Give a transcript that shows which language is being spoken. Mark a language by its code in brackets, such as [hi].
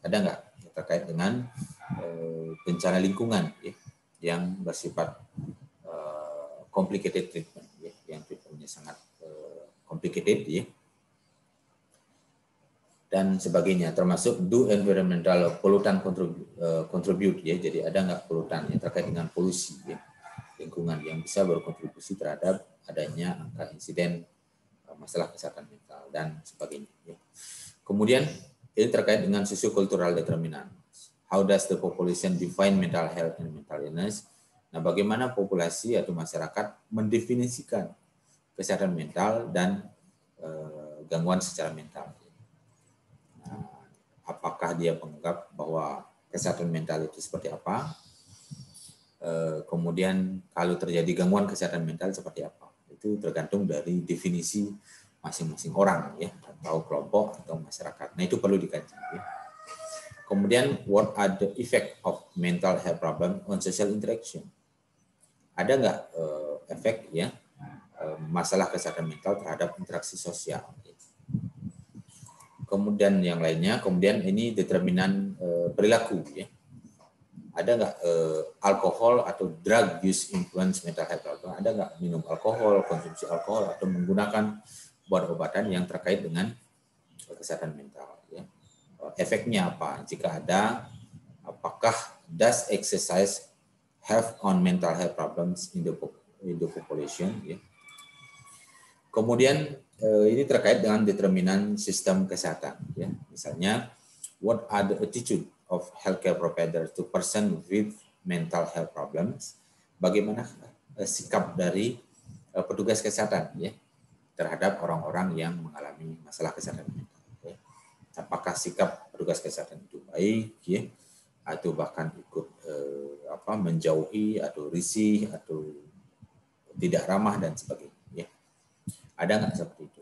[id] Ada nggak ya, terkait dengan bencana lingkungan ya, yang bersifat [en] complicated treatment [id] ya, yang treatmentnya sangat complicated ya, dan sebagainya, termasuk [en] do environmental pollutan contribute [id] ya, jadi ada nggak pollutan ya, terkait dengan polusi ya, lingkungan yang bisa berkontribusi terhadap adanya angka insiden masalah kesehatan mental dan sebagainya. Kemudian ini terkait dengan sosio-kultural determinants. [en] How does the population define mental health and mental illness? [id] Nah, bagaimana populasi atau masyarakat mendefinisikan kesehatan mental dan gangguan secara mental. Apakah dia menganggap bahwa kesehatan mental itu seperti apa? Kemudian kalau terjadi gangguan kesehatan mental seperti apa? Itu tergantung dari definisi masing-masing orang ya, atau kelompok atau masyarakat. Nah, itu perlu dikaji. Ya. Kemudian, [en] what are the effect of mental health problem on social interaction? [id] Ada nggak efek ya masalah kesehatan mental terhadap interaksi sosial? Kemudian yang lainnya, kemudian ini determinan perilaku. Ya. Ada nggak alkohol atau [en] drug use influence mental health problem? [id] Ada nggak minum alkohol, konsumsi alkohol, atau menggunakan obat-obatan yang terkait dengan kesehatan mental? Ya. Efeknya apa? Jika ada, apakah [en] does exercise have on mental health problems in the population? Ya. [id] Kemudian, ini terkait dengan determinan sistem kesehatan. Ya. Misalnya, [en] what are the attitude of healthcare providers to person with mental health problems? [id] Bagaimana sikap dari petugas kesehatan ya, terhadap orang-orang yang mengalami masalah kesehatan mental? Ya. Apakah sikap petugas kesehatan itu baik? Ya, atau bahkan ikut menjauhi atau risih atau tidak ramah dan sebagainya? Ada nggak seperti itu?